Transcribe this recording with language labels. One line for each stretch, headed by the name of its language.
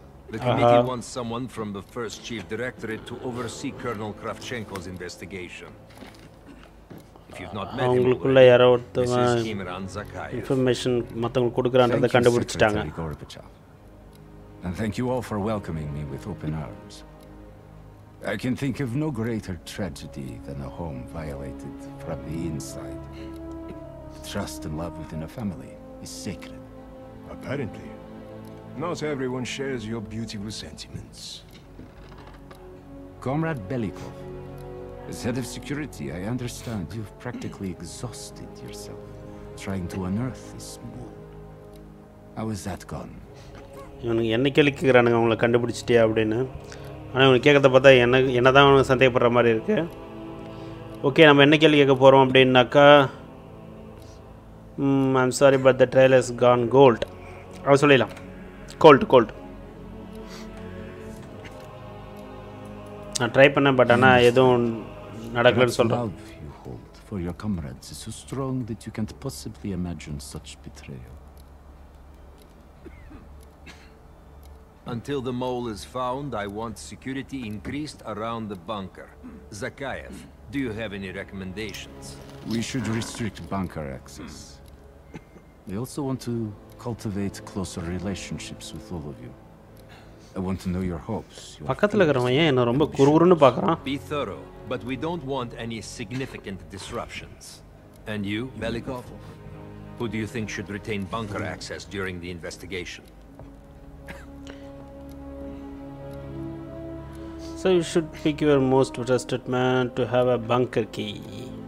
English: The committee wants someone from the first chief directorate to oversee Colonel Kravchenko's investigation.
Tamil: அவங்களுக்குள்ள யாரோ ஒருத்தவங்க information மற்றவங்களுக்கு கொடுக்குறான்றத கண்டுபிடிச்சிட்டாங்க.
English: And thank you all for welcoming me with open arms. I can think of no greater tragedy than a home violated from the inside. Trust and love within a family is sacred. Apparently. Not everyone shares your beautiful sentiments. Comrade Belikov. As head of security, I understand you've practically exhausted yourself trying to unearth this mole. How is that gone?
Tamil: இவனுங்க என்ன கேள்விக்கிறானுங்க, அவங்கள கண்டுபிடிச்சிட்டியா அப்படின்னு. ஆனால் இவனு கேட்கறத பார்த்தா என்ன என்ன தான் அவனுக்கு சந்தேகப்படுற மாதிரி இருக்கு. ஓகே, நம்ம என்ன கேள்வி கேட்க போகிறோம் அப்படின்னாக்கா,
English: I'm sorry but the trial is gone cold.
Tamil: அவர் சொல்லிடலாம் கோல்ட் கோல்ட் ட்ரை பண்ண, பட் ஆனா எதுவும் நடக்கலன்னு சொல்றேன்.
English: For your comrades is so strong that you can't possibly imagine such betrayal. Until the mole is found, I want security increased around the bunker. Zakayev, do you have any recommendations? We should restrict bunker access. We also want to cultivate closer relationships with all of you. I want to know your hopes.
Tamil: பக்கத்துல இருக்கறவன் ஏன் என்ன ரொம்ப குறுகுறுன்னு பார்க்கறான்?
English: Be thorough, but we don't want any significant disruptions. And you, Belikov, who do you think should retain bunker access during the investigation? So you should pick your most trusted man to have a bunker key.